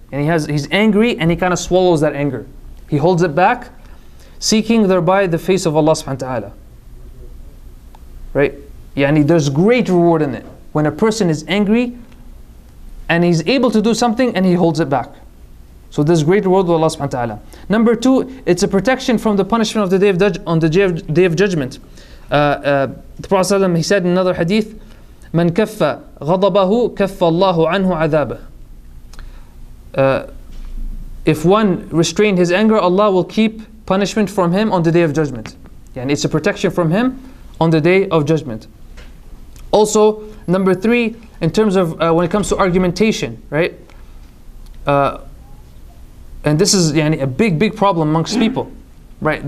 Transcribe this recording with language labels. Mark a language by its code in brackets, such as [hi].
[en] And he's angry and he kind of swallows that anger. He holds it back, seeking thereby the face of Allah subhanahu wa ta'ala. Right? There's great reward in it. When a person is angry and he's able to do something and he holds it back. So there's great reward with Allah subhanahu wa ta'ala. Number two, it's a protection from the punishment of the day of judgment. The Prophet ﷺ, he said in another hadith, [ar] مَنْ كَفَّ غَضَبَهُ كَفَّ اللَّهُ عَنْهُ عَذَابَهُ. [en] If one restrained his anger, Allah will keep punishment from him on the day of judgment. And it's a protection from him on the day of judgment. Also, number three, in terms of when it comes to argumentation, right? And this is a big, big problem amongst people, right?